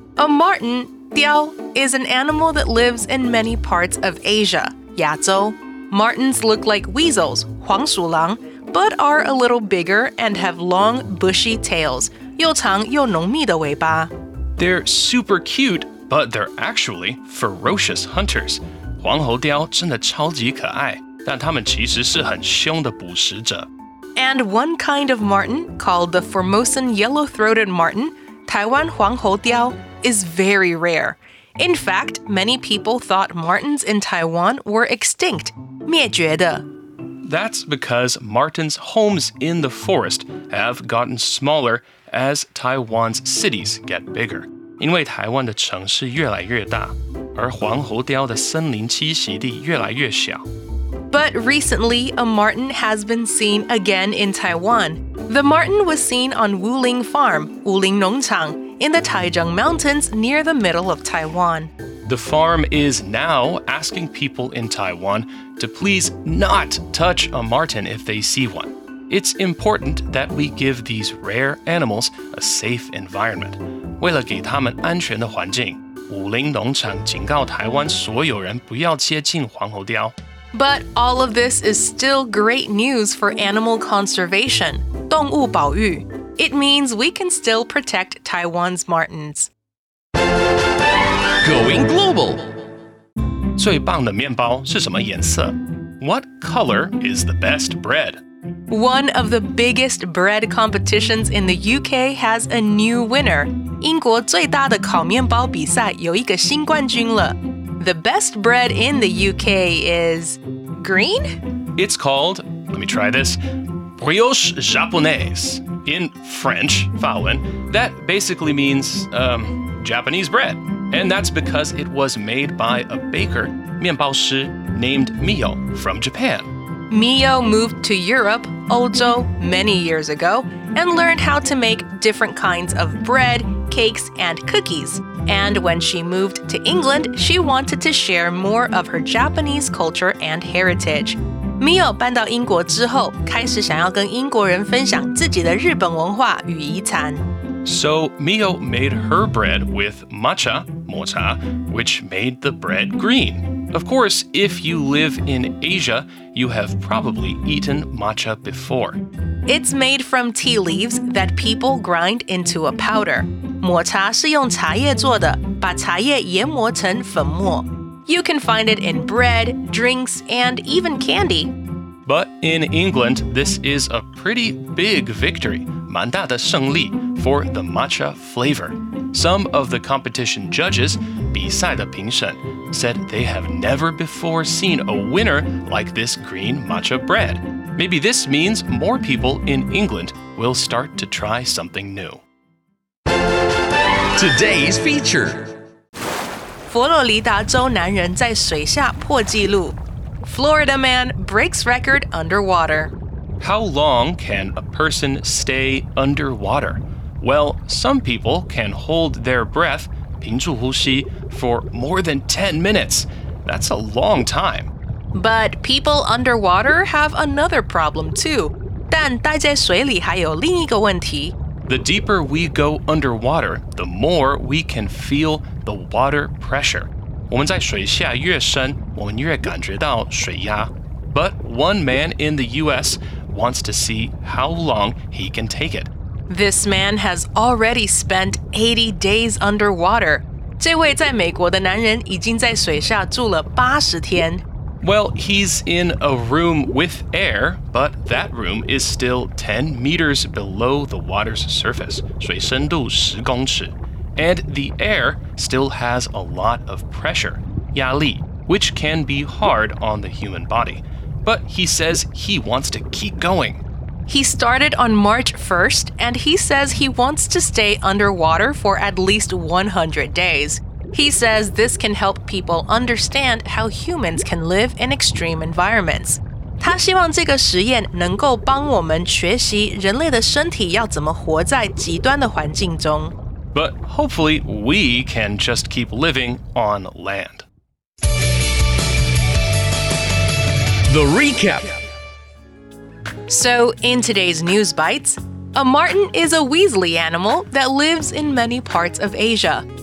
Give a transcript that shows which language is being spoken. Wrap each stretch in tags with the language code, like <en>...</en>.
<en>A Martin, diao, is an animal that lives in many parts of Asia, yazhou. Martins look like weasels, 黄鼠狼, but are a little bigger and have long, bushy tails,</en> <zh>又长又浓密的尾巴.</zh> <en>They're super cute, but they're actually ferocious hunters.</en> <zh>黄喉貂真的超级可爱，但它们其实是很凶的捕食者。</zh> <en>And one kind of marten, called the Formosan Yellow-Throated Marten, 台湾黄喉貂, is very rare. In fact, many people thought martens in Taiwan were extinct, 灭绝的。 That's because martens' homes in the forest have gotten smaller as Taiwan's cities get bigger.</en> <zh>因为台湾的城市越来越大。而黄喉貂的森林栖息地越来越小。</zh> <en>But recently, a marten has been seen again in Taiwan. The marten was seen on Wuling Farm, 武陵农场, in the Taichung Mountains near the middle of Taiwan. The farm is now asking people in Taiwan to please not touch a marten if they see one. It's important that we give these rare animals a safe environment.</en> <zh>为了给他们安全的环境。武陵农场警告台湾所有人不要接近黄喉貂。</zh> <en>But all of this is still great news for animal conservation, 动物保育。 It means we can still protect Taiwan's martens. Going global!</en> <zh>最棒的面包是什么颜色?</zh> <en>What color is the best bread? One of the biggest bread competitions in the UK has a new winner.</en> <zh>英国最大的烤面包比赛有一个新冠军了。</zh> <en>The best bread in the UK is... green? It's called... let me try this... Brioche Japonaise. In French, 法文, that basically means, Japanese bread. And that's because it was made by a baker, 面包师, named Miyo from Japan. Miyo moved to Europe, 欧洲, many years ago, and learned how to make different kinds of bread,cakes and cookies. And when she moved to England, she wanted to share more of her Japanese culture and heritage.</en> <zh>Miyo 搬到英国之后，开始想要跟英国人分享自己的日本文化与遗产。</zh> <en>So Miyo made her bread with matcha, 抹茶, which made the bread green. Of course, if you live in Asia, you have probably eaten matcha before. It's made from tea leaves that people grind into a powder.</en> <zh>抹茶是用茶叶做的，把茶叶研磨成粉末。</zh> <en>You can find it in bread, drinks, and even candy. But in England, this is a pretty big victory,</en> <zh>蠻大的勝利,</zh> <en>for the matcha flavor. Some of the competition judges,</en> <zh>比赛的评审,</zh> <en>said they have never before seen a winner like this green matcha bread. Maybe this means more people in England will start to try something new. Today's feature.</en> <zh>佛罗里达州男人在水下破纪录。</zh> <en>Florida man breaks record underwater. How long can a person stay underwater? Well, some people can hold their breath,</en> <zh>屏住呼吸,</zh> <en>for more than 10 minutes. That's a long time. But people underwater have another problem too.</en> <zh>但待在水里还有另一个问题。</zh> <en>The deeper we go underwater, the more we can feel the water pressure.</en> <zh>我们在水下越深，我们越感觉到水压。</zh> <en>But one man in the US wants to see how long he can take it. This man has already spent 80 days underwater.</en> <zh>这位在美国的男人已经在水下住了80天。</zh> <en>Well, he's in a room with air, but that room is still 10 meters below the water's surface.</en> <zh>水深度十公尺。</zh> <en>And the air still has a lot of pressure, 压力, which can be hard on the human body. But he says he wants to keep going. He started on March 1st, and he says he wants to stay underwater for at least 100 days. He says this can help people understand how humans can live in extreme environments.</en> <zh>他希望这个实验能够帮我们学习人类的身体要怎么活在极端的环境中。</zh> <en>But hopefully, we can just keep living on land. The recap. So, in today's News Bites, a marten is a weaselly animal that lives in many parts of Asia.</en>